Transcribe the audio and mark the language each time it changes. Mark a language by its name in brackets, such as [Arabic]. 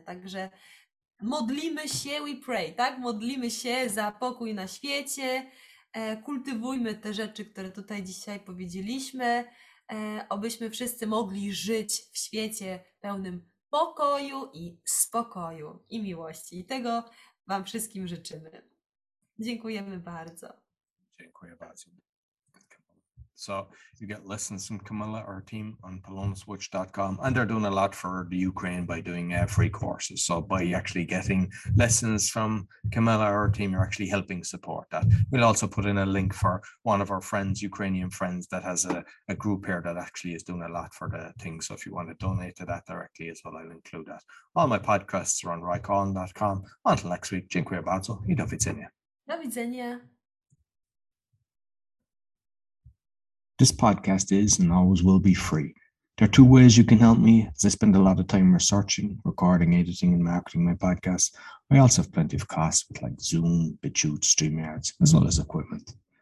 [Polish] Także modlimy się, [English] we pray, [Polish] tak? Modlimy się za pokój na świecie, kultywujmy te rzeczy, które tutaj dzisiaj powiedzieliśmy, abyśmy wszyscy mogli żyć w świecie pełnym pokoju i spokoju i miłości. I tego Wam wszystkim życzymy. Dziękujemy bardzo. Dziękuję bardzo. [English] So you get lessons from Camilla, our team on PalomaSwitch.com, and they're doing a lot for the Ukraine by doing free courses. So by actually getting lessons from Camilla, our team, you're actually helping support that. We'll also put in a link for one of our friends, Ukrainian friends, that has a group here that actually is doing a lot for the thing. So if you want to donate to that directly as well, I'll include that. All my podcasts are on rycon.com. Until next week, [Polish] dziękuję bardzo i do widzenia. Do widzenia. [English] This podcast is and always will be free. There are two ways you can help me, as I spend a lot of time researching, recording, editing, and marketing my podcast. I also have plenty of costs with like Zoom, BitChute, StreamYards, as well as equipment.